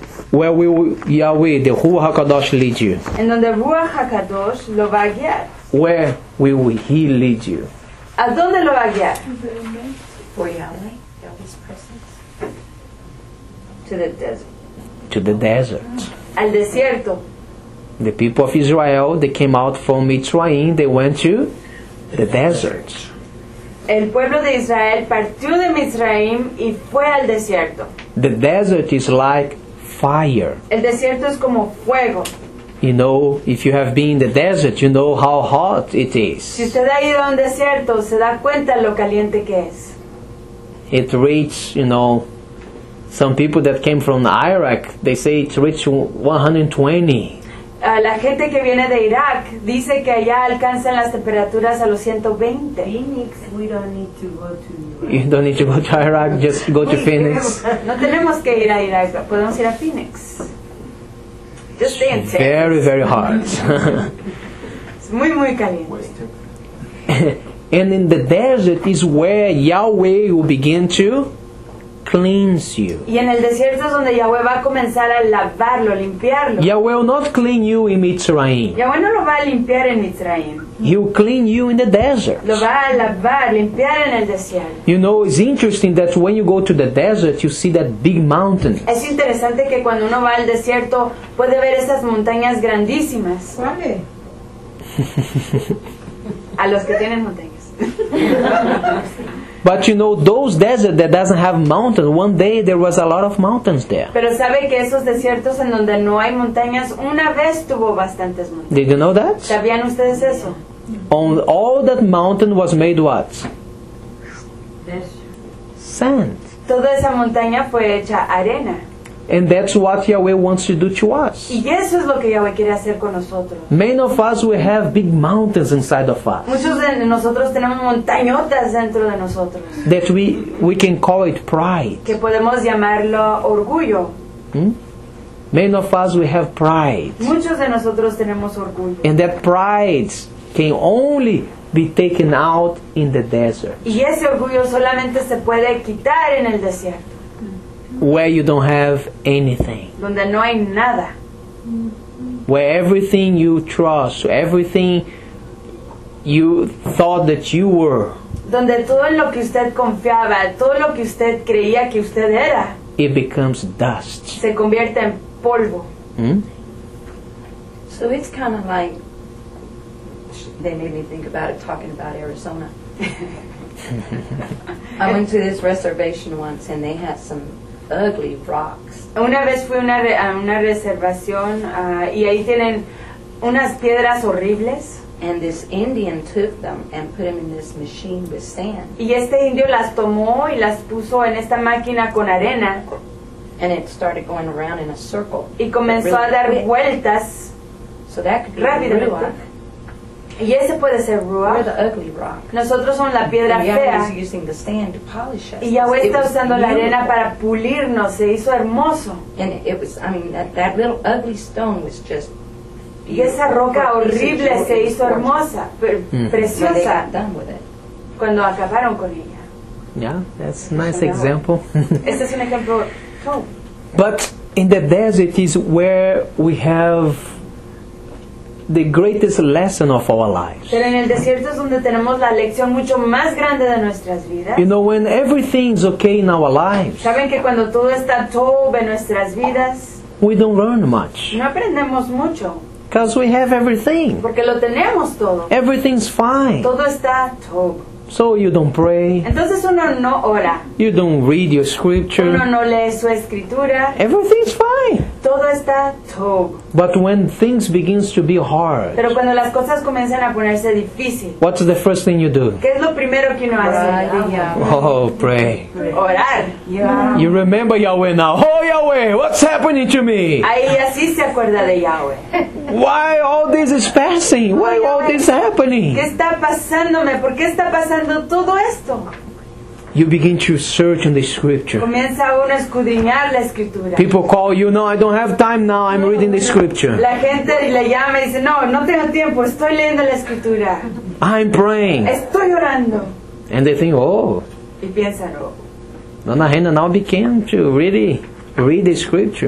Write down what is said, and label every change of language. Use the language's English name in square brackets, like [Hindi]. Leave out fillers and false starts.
[English] Where will Yahweh, the Ruach HaKadosh, lead you? [Spanish] En donde Ruach HaKadosh lo va a guiar. [English] Where will He lead you? [Spanish] ¿A dónde lo va a guiar? [English] For Yahweh, Yahweh's presence. To the desert. To the desert. [Spanish] Al desierto. [English] The people of Israel, they came out from Mitzrayim, they went to the desert. [Spanish] El pueblo de Israel partió de Mitzrayim y fue al desierto. [English] The desert is like fire. [Spanish] El desierto es como fuego. [English] You know, if you have been in the desert, you know how hot it is. [Spanish] Si usted ha ido a un desierto, se da cuenta lo caliente que es. [English] It reaches, you know, some people that came from Iraq, they say it reached 120. [Spanish] La gente que viene de Irak dice que allá alcanzan las temperaturas a los 120. [English] Phoenix, we don't need to go to Iraq. You don't need to go to Iraq, just go to Phoenix. [Spanish] No tenemos que ir a Irak, podemos ir a Phoenix. [English] Just stay in Texas. Very, very hot. It's [Spanish] muy, muy caliente. [English] And in the desert is where Yahweh will begin to cleanse you. [Spanish] Y en el desierto es donde Yahweh va a comenzar a lavarlo, limpiarlo. [English] Yahweh will not clean you in Mitzrayim. [Spanish] Yahweh no lo va a limpiar en Mitzrayim. [English] He will clean you in the desert. [Spanish] Lo va a lavar, limpiar en el desierto. [English] You know, it's interesting that when you go to the desert, you see that big mountain. [Spanish] Es interesante que cuando uno va al desierto, puede ver esas montañas grandísimas. ¿Cuáles? A los que tienen montañas. [English] But you know, those deserts that doesn't have mountains, one day there was a lot of mountains there. [Spanish] Pero sabe que esos desiertos en donde no hay montañas, una vez tuvo bastantes montañas. [English] Did you know that? [Spanish] ¿Sabían ustedes eso? [English] On all that mountain was made what? Desert. Sand. [Spanish] Toda esa montaña fue hecha arena. [English] And that's what Yahweh wants to do to us. [Spanish] Y eso es lo que Yahweh quiere hacer con nosotros. [English] Many of us, we have big mountains inside of us. [Spanish] Muchos de nosotros tenemos montañotas dentro de nosotros. [English] That we can call it pride. [Spanish] Que podemos llamarlo orgullo. [English] Many of us, we have pride. [Spanish] Muchos de nosotros tenemos orgullo. [English] And that pride can only be taken out in the desert. [Spanish] Y ese orgullo solamente se puede quitar en el desierto. [English] Where you don't have anything. [Spanish] Donde no hay nada. [English] Where everything you trust, everything you thought that you were. [Spanish] Donde todo lo que usted confiaba, todo lo que usted creía que usted era. [English] It becomes dust. [Spanish] Se convierte en polvo. [English] So it's kind of like, they made me think about it, talking about Arizona. I went to this reservation once and they had some ugly rocks. [Spanish] Una vez fui a una reservación y ahí tienen unas piedras horribles. [English] And this Indian took them and put them in this machine with sand. [Spanish] Y este indio las tomó y las puso en esta máquina con arena. [English] And it started going around in a circle. [Spanish] Y comenzó [English] really [Spanish] a dar vueltas. [English] So that could be [Spanish] rápidamente. [English] Ruach. [Spanish] Y ese puede ser Ruach. [English] We're the ugly rock. [Spanish] Nosotros somos la piedra [English] and [Spanish] fea. [English] Is using the sand to polish us. [Spanish] Y Yahweh está usando la arena para pulirnos. Se hizo hermoso. [English] And it was, I mean, that little ugly stone was just [Spanish] y esa roca horrible se hizo hermosa, preciosa. [English] When they got done with it. [Spanish] Cuando acabaron con ella. [English] Yeah, that's a nice example. [Spanish] Este es un ejemplo. [English] But in the desert is where we have the greatest lesson of our lives. [Spanish] Pero en el desierto es donde tenemos la lección mucho más grande de nuestras vidas. [English] You know, when everything's okay in our lives. [Spanish] Saben que cuando todo está tobe en nuestras vidas. [English] We don't learn much. [Spanish] No aprendemos mucho. [English] Because we have everything. [Spanish] Porque lo tenemos todo. [English] Everything's fine. [Spanish] Todo está tobe. [English] So you don't pray. [Spanish] Entonces uno no ora. [English] You don't read your scripture. [Spanish] Uno no lee su escritura. [English] Everything's fine. [Spanish] Todo está todo. [English] But when things begin to be hard. [Spanish] Pero cuando las cosas comienzan a ponerse difícil. [English] What's the first thing you do? [Spanish] ¿Qué es lo primero que uno hace? [English] Oh, pray. [Spanish] Orar. [English] Yeah. You remember Yahweh now. Oh, Yahweh, what's happening to me? [Spanish] Ahí así se acuerda de Yahweh. [English] Why all this is passing? Why Yahweh, all this happening? [Spanish] ¿Qué está pasándome? ¿Por qué está pasando todo esto? [English] You begin to search in the scripture. [Spanish] Comienza uno a escudriñar la escritura. [English] People call you, no, I don't have time now, I'm reading the scripture. [Spanish] La gente le llama y dice, no, no tengo tiempo, estoy leyendo la escritura. [English] I'm praying. [Spanish] Estoy orando. [English] And they think, oh. [Spanish] Y piensan, oh. [English] Donna Hannah now began to really read the scripture.